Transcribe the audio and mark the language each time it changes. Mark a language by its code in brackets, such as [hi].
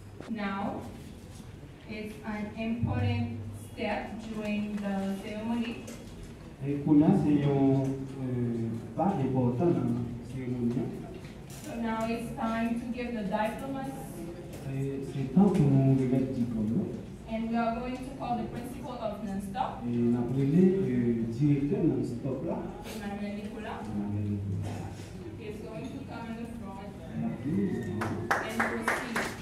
[en] Now, it's an important step during the ceremony. [fr] Et pour nous, c'est un pas important dans la cérémonie. [en] So now it's time to give the diplomas. [fr] C'est temps pour nous remettre le diplôme. [en] And we are going to call the principal of Nonstop. [fr] Et on a pris le directeur Nonstop là. [en] Emmanuel Nicolas. [fr] Emmanuel Nicolas. [en] He is going to come in the front.